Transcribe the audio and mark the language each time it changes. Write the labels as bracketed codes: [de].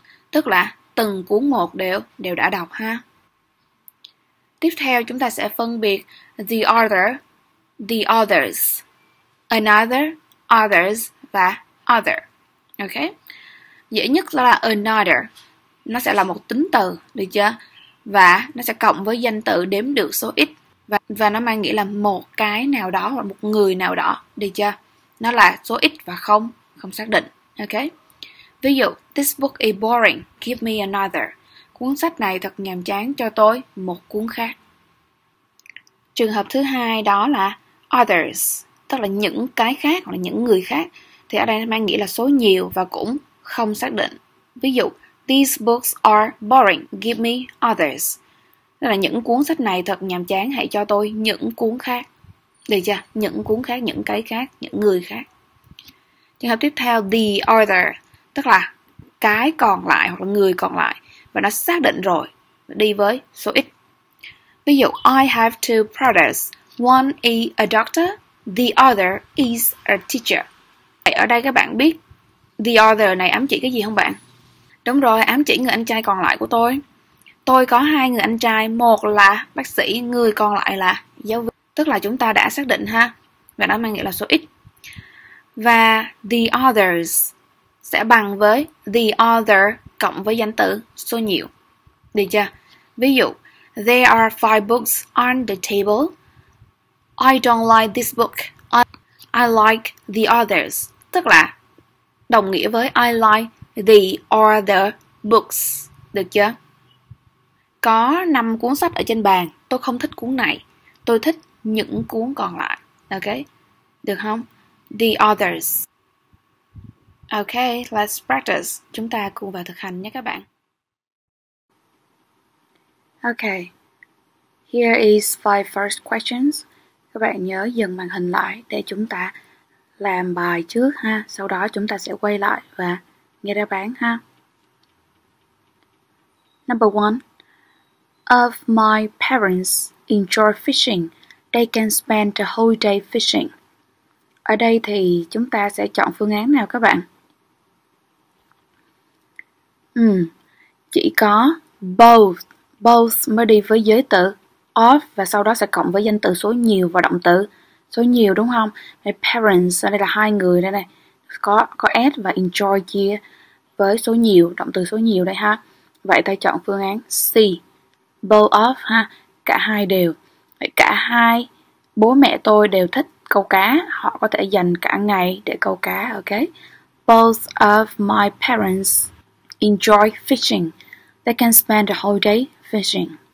[vi] Tức là từng cuốn một đều đã đọc ha. Tiếp theo chúng ta sẽ phân biệt the other, the others, another, others và other. Ok. Dễ nhất là another. Nó sẽ là một tính từ, được chưa? Và nó sẽ cộng với danh từ đếm được số ít. Và nó mang nghĩa là một cái nào đó hoặc một người nào đó, được chưa? Nó là số ít và không, không xác định. Ok. Ví dụ, [en] this book is boring, give me another. [vi] Cuốn sách này thật nhàm chán, cho tôi một cuốn khác. Trường hợp thứ hai đó là others, tức là những cái khác hoặc là những người khác. Thì ở đây mang nghĩa là số nhiều và cũng không xác định. Ví dụ, [en] these books are boring, give me others. [vi] Tức là những cuốn sách này thật nhàm chán, hãy cho tôi những cuốn khác. Được chưa? Những cuốn khác, những cái khác, những người khác. Trường hợp tiếp theo, the other, tức là cái còn lại hoặc là người còn lại. Và nó xác định rồi, đi với số ít. Ví dụ, [en] I have two brothers. One is a doctor, the other is a teacher. [vi] Ở đây các bạn biết the other này ám chỉ cái gì không bạn? Đúng rồi, ám chỉ người anh trai còn lại của tôi. Tôi có hai người anh trai, một là bác sĩ, người còn lại là giáo viên. Tức là chúng ta đã xác định ha, và nó mang nghĩa là số ít. Và the others sẽ bằng với the other cộng với danh từ số nhiều. Được chưa? Ví dụ, [en] there are five books on the table. I don't like this book. I like the others. [vi] Tức là đồng nghĩa với [en] I like the other books. [vi] Được chưa? Có 5 cuốn sách ở trên bàn. Tôi không thích cuốn này. Tôi thích những cuốn còn lại. [en] Ok? [vi] Được không? [en] The others. Ok, let's practice. [vi] Chúng ta cùng vào thực hành nhé các bạn. [en] Ok. Here is 5 first questions. [vi] Các bạn nhớ dừng màn hình lại để chúng ta làm bài trước ha. Sau đó chúng ta sẽ quay lại và nghe đáp án ha. [en] Number 1. Of my parents enjoy fishing, they can spend the whole day fishing. [vi] Ở đây thì chúng ta sẽ chọn phương án nào các bạn? Chỉ có both mới đi với giới tự of và sau đó sẽ cộng với danh từ số nhiều và động từ số nhiều, đúng không? My parents, ở đây là hai người đây này, có s và enjoy chia với số nhiều, động từ số nhiều đây ha. Vậy ta chọn phương án C, both of ha, cả hai đều. Vậy cả hai bố mẹ tôi đều thích câu cá, họ có thể dành cả ngày để câu cá. [en] Ok, both of my parents enjoy fishing, they can spend the whole day fishing.